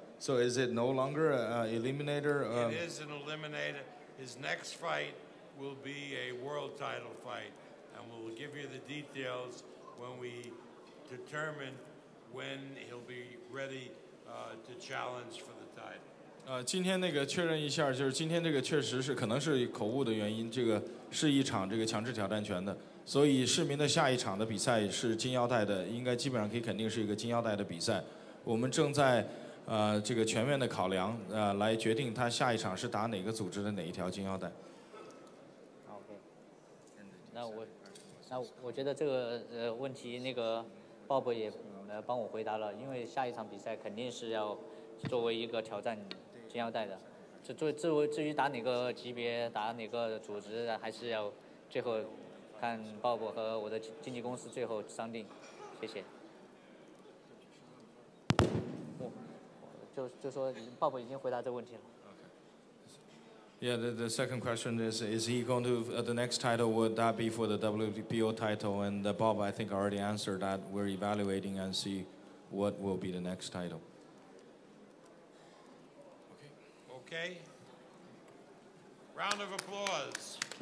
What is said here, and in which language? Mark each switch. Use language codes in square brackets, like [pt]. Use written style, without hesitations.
[en] So is it no longer an eliminator? It is an eliminator. His next fight will be a world title fight, and we'll give you the details when we determine when he'll be ready to challenge for the title. [zh] 今天那个确认一下，就是今天这个确实是可能是口误的原因，这个是一场这个强制挑战权的，所以市民的下一场的比赛是金腰带的，应该基本上可以肯定是一个金腰带的比赛。我们正在这个全面的考量来决定他下一场是打哪个组织的哪一条金腰带。好的，那我觉得这个问题那个 Bob 也帮我回答了，因为下一场比赛肯定是要作为一个挑战金腰带的，至于打哪个级别打哪个组织还是要最后看鲍勃和我的经纪公司最后商定，谢谢。就说鲍勃已经回答这个问题了。 [en] Yeah, the second question is he going to, the next title, would that be for the WBO title? And Bob, I think, already answered that. We're evaluating and see what will be the next title. Okay. Round of applause.